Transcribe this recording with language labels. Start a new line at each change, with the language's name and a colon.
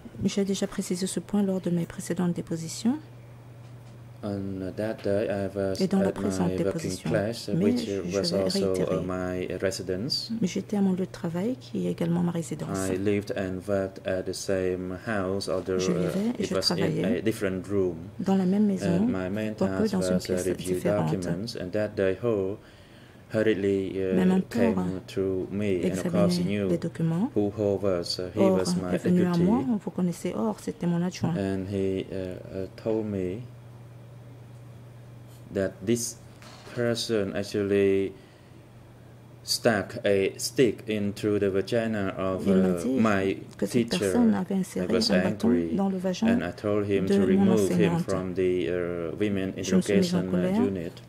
French: J'ai déjà précisé ce point lors de mes précédentes dépositions.
English: On that day, I was at my working place, which was also my residence.
French: Mais j'étais à mon lieu de travail, qui est également ma résidence.
English: I lived and worked at the same house, although it was in a different room.
French: Dans la même maison,
English: and my main task was to review documents, and that day, Ho hurriedly came to me, and of course, knew who Ho was. He was my deputy.
French: À moi, vous connaissez Or, c'était mon adjoint.
English: And he told me that this person actually stuck a stick into the vagina of my teacher. I was angry, and I told him to remove him from the women interrogation unit.